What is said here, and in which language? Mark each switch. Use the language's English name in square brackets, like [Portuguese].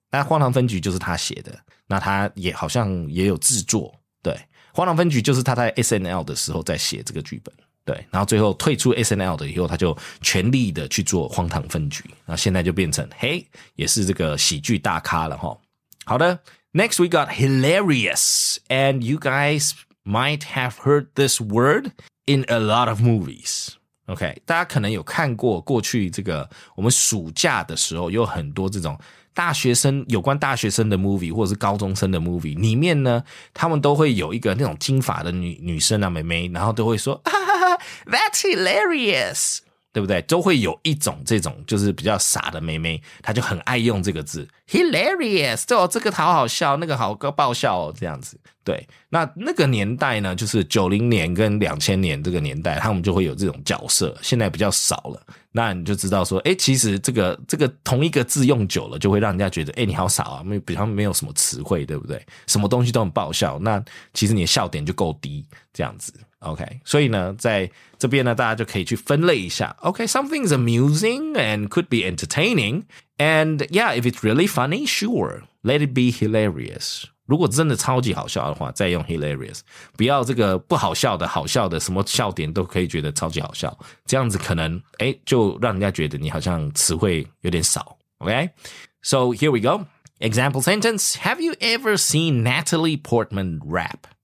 [Chinese] 那《荒唐分局》就是他写的，那他也好像也有制作，对，《荒唐分局》就是他在 SNL 的时候在写这个剧本。对，然后最后退出 SNL 的以后，他就全力的去做《荒唐分局》，那现在就变成嘿，也是这个喜剧大咖了哈。好的 [English] ，Next we got hilarious, and you guys might have heard this word in a lot of movies. [Chinese] OK, 大家可能有看过过去这个我们暑假的时候，有很多这种大学生有关大学生的 movie 或者是高中生的 movie 里面呢，他们都会有一个那种金发的 女生啊，妹妹，然后都会说哈哈哈 [English] That's hilarious， [Chinese] 对不对？都会有一种这种就是比较傻的妹妹，她就很爱用这个字 hilarious， 对哦，这个好好笑，那个好爆笑哦，这样子。对，那那个年代呢，就是90年跟2000年这个年代，他们就会有这种角色，现在比较少了。那你就知道说，诶，其实这个同一个字用久了，就会让人家觉得，诶，你好傻啊，比较没有什么词汇，对不对？什么东西都很爆笑，那其实你的笑点就够低，这样子。 OK， 所以呢，在这边呢，大家就可以去分类一下。 [English] OK， something is amusing and could be entertaining. And yeah, if it's really funny, sure, let it be hilarious. [Chinese] 如果真的超级好笑的话，再用 hilarious， 不要这个不好笑的好笑的什么笑点都可以觉得超级好笑，这样子可能诶就让人家觉得你好像词汇有点少。 [English] OK， so here we go. Example sentence: Have you ever seen Natalie Portman rap?